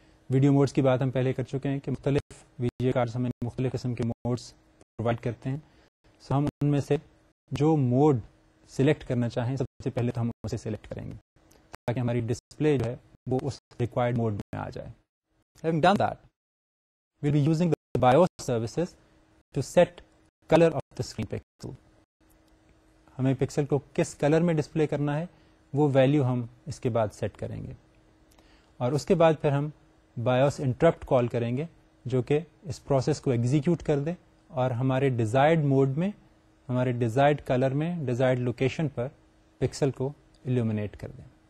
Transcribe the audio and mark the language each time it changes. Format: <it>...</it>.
<ur>Video modes کی بات ہم پہلے کر چکے ہیں کہ مختلف ویڈیو کارڈز ہمیں مختلف قسم کے موڈس پرووائڈ کرتے ہیں, سو ہم ان میں سے جو موڈ سلیکٹ کرنا چاہیں سب سے پہلے تو ہم اسے سلیکٹ کریں گے تاکہ ہماری ڈسپلے جو ہے وہ اس ریکوائرڈ موڈ میں آ جائے.</ur> <en>Having done that, we'll be using the BIOS services to set color of the screen pixel.</en> <ur>ہمیں پکسل کو کس کلر میں ڈسپلے کرنا ہے وہ ویلیو ہم اس کے بعد سیٹ کریں گے, اور اس کے بعد پھر ہم BIOS interrupt کال کریں گے جو کہ اس پروسیس کو ایگزیکیوٹ کر دے اور ہمارے ڈیزائرڈ موڈ میں ہمارے ڈیزائرڈ کلر میں ڈیزائرڈ لوکیشن پر پکسل کو الومینیٹ کر دیں.</ur>